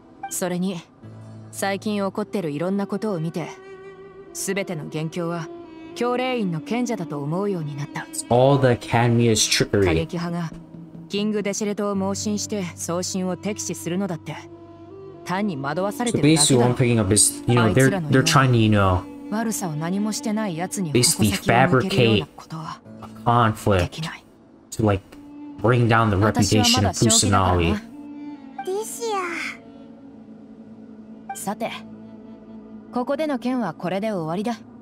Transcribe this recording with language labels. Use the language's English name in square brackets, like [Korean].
[Japanese] それに最近起こってるいろんなことを見て全ての元凶は教令院の賢者だと思うようになった。過激派がキング・デシェレトを盲信して送信を敵視するのだって単に惑わされてるだけだ。 [English] So basically, I'm picking up is, you know, they're trying to, you know, [Japanese] 悪さを何もしてない奴に [English] basically fabricate a conflict to like bring down the reputation of Fusanali. [Japanese] ディシア。さて、ここでの件はこれで終わりだ。